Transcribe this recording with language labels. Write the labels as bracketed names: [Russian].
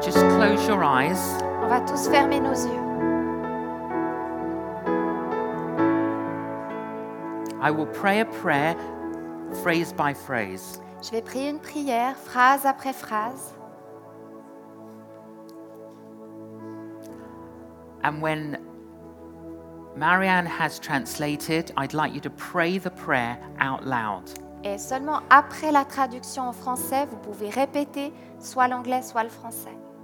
[English] Just close your eyes. [French] On va tous fermer nos yeux. [English] I will pray a prayer, phrase by phrase. [French] Je vais prier une prière, phrase après phrase. [English] And when Marianne has translated, I'd like you to pray the prayer out loud. [French] Et seulement après la traduction en français, vous pouvez répéter soit l'anglais, soit le français.